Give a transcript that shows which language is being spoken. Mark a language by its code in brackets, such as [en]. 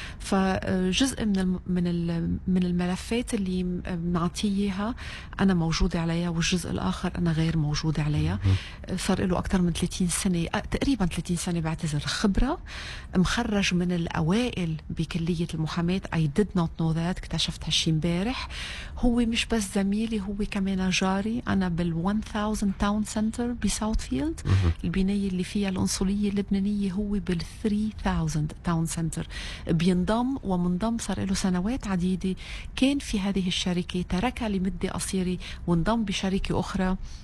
[ar] فجزء من الملفات اللي بنعطيها انا موجوده عليها، والجزء الاخر انا غير موجوده عليها. صار له اكثر من 30 سنه تقريبا 30 سنه بعتذر خبره، مخرج من الاوائل بكليه المحاماه. [en] I did not know that، [ar] اكتشفت هالشيء امبارح. هو مش بس زميلي، هو كمان جاري. انا بال 1000 تاون سنتر بساوثفيلد، البنايه اللي فيها الأنصلية اللبنانية، هو بال 3000 تاون سنتر بينضم ومنضم، صار له سنوات عديدة كان في هذه الشركة، تركها لمدة قصيرة وانضم بشركة أخرى